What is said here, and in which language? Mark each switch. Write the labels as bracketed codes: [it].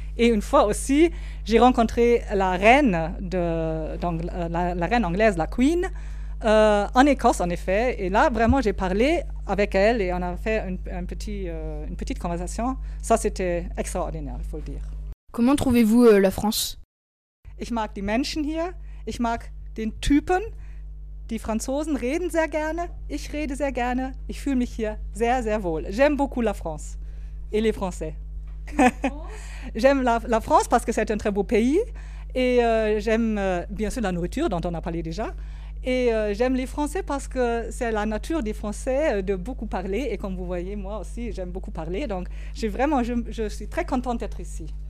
[fr] Et une fois aussi, j'ai rencontré la reine anglaise, la Queen, en Écosse, en effet. Et là, vraiment, j'ai parlé avec elle et on a fait une petite conversation. Ça, c'était extraordinaire, il faut le dire. Comment trouvez-vous la France ? [de] Ich mag die Menschen hier. Ich mag den Typen. Die Franzosen reden sehr gerne. Ich rede sehr gerne. Ich fühle mich hier sehr, sehr wohl. [fr] J'aime beaucoup la France et les Français. J'aime la France parce que c'est un très beau pays. Et j'aime bien sûr la nourriture dont on a parlé déjà. Et j'aime les Français parce que c'est la nature des Français de beaucoup parler. Et comme vous voyez, moi aussi, j'aime beaucoup parler. Donc, je suis très contente d'être ici.